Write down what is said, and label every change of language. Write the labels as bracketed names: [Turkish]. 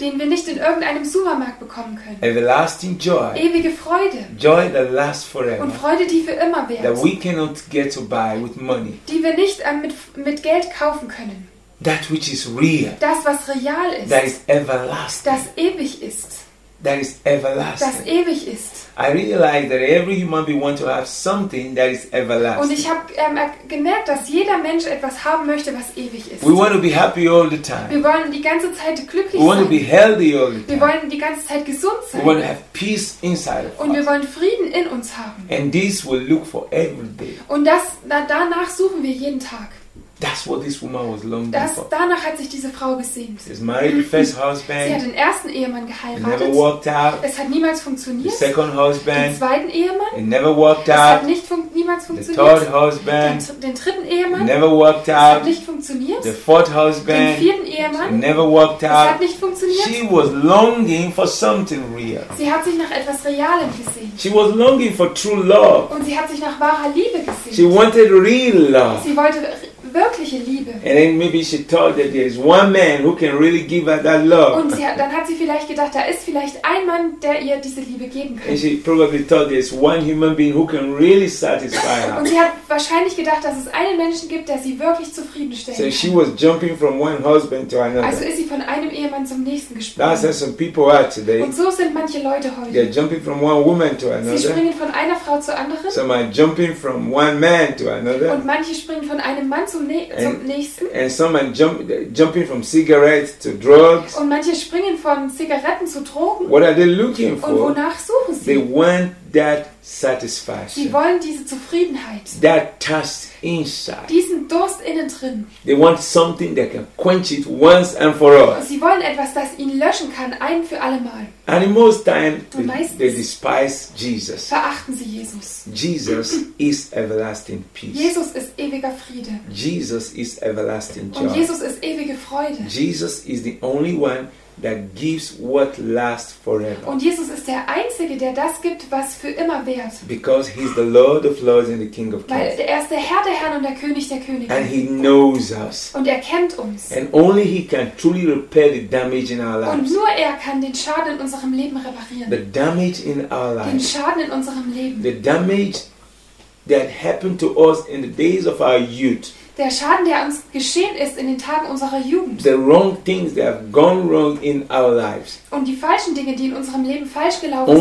[German] Den wir nicht in irgendeinem Supermarkt bekommen können. [English] Everlasting joy. [German] Ewige Freude. [English] Joy that lasts forever. [German] Und Freude, die für immer währt. [English] That we cannot get to buy with money. [German] Die wir nicht mit Geld kaufen können. [English] That which is real. [German] Das, was real ist. [English] That is everlasting. [German] Das ewig ist. [English] That is everlasting. [German] Das ewig ist. [English] I realize that every human being wants to have something that is everlasting. [German] Und ich habe gemerkt, dass jeder Mensch etwas haben möchte, was ewig ist. [English] We want to be happy all the time. [German] Wir wollen die ganze Zeit glücklich sein. [English] We want to be healthy all the time. [German] Wir wollen die ganze Zeit gesund sein. [English] We want to have peace inside of [German] us. Und wir wollen Frieden in uns haben. [English] And this we look for every day. [German] Und danach suchen wir jeden Tag. [English] That's what this woman was longing [German] das, [English] for. [German] Danach hat sich diese Frau gesehnt. [English] She's married the first husband. [German] Sie hat den ersten Ehemann geheiratet. [English] It never worked out. [German] Es hat niemals funktioniert. [English] The second husband. [German] Den zweiten Ehemann. [English] It never worked [German] es [English] out. [German] Es hat nicht niemals funktioniert. [English] The third husband. [German] Den dritten Ehemann. [English] It never worked [German] es [English] out. [German] Es hat nicht funktioniert. [English] The fourth husband. [German] Den vierten Ehemann. [English] It never worked out. [German] Es hat nicht funktioniert. [English] She was longing for something real. [German] Sie hat sich nach etwas Realem gesehen. [English] She was longing for true love. [German] Und sie hat sich nach wahrer Liebe gesehen. [English] She wanted real love. [German] Sie wollte wirkliche Liebe. [English] And then maybe she thought that there is one man who can really give her that love. [German] Und sie, dann hat sie vielleicht gedacht, da ist vielleicht ein Mann, der ihr diese Liebe geben kann. [English] And she probably thought there is one human being who can really satisfy her. [German] Und sie hat wahrscheinlich gedacht, dass es einen Menschen gibt, der sie wirklich zufriedenstellen so kann. [English] So she was jumping from one husband to another. [German] Also ist sie von einem Ehemann zum nächsten gesprungen. [English] That's how some people are today. [German] Und so sind manche Leute heute. [English] They're jumping from one woman to another. [German] Sie springen von einer Frau zur anderen. [English] Some are jumping from one man to another. [German] Und manche springen von einem Mann zum [English] and some are jumping from cigarettes to drugs. [German] Und manche springen von Zigaretten zu Drogen. [English] What are they looking for? [German] Und wonach suchen sie? [English] They want that satisfaction. [German] Sie wollen diese Zufriedenheit. [English] That thirst inside. [German] Diesen Durst innen drin. [English] They want something that can quench it once and for all. [German] Sie wollen etwas, das ihn löschen kann, ein für alle Mal. [English] And in most time, they despise Jesus. [German] Verachten sie Jesus. [English] Jesus is everlasting peace. [German] Jesus ist ewiger Friede. [English] Jesus is everlasting joy. [German] Und Jesus ist ewige Freude. [English] Jesus is the only one that gives what lasts forever. [German] Und Jesus ist der Einzige, der das gibt, was für immer währt. [English] Because he's the Lord of Lords and the King of Kings. [German] Weil er ist der Herr der Herren und der König der Könige. [English] And he knows us. [German] Und er kennt uns. [English] And only he can truly repair the damage in our lives. [German] Und nur er kann den Schaden in unserem Leben reparieren. [English] The damage in our lives. [German] Den Schaden in unserem Leben. [English] The damage that happened to us in the days of our youth. [German] Der Schaden, der uns geschehen ist in den Tagen unserer Jugend. [English] The wrong things that have gone wrong in our lives. [German] Und die falschen Dinge, die in unserem Leben falsch gelaufen sind.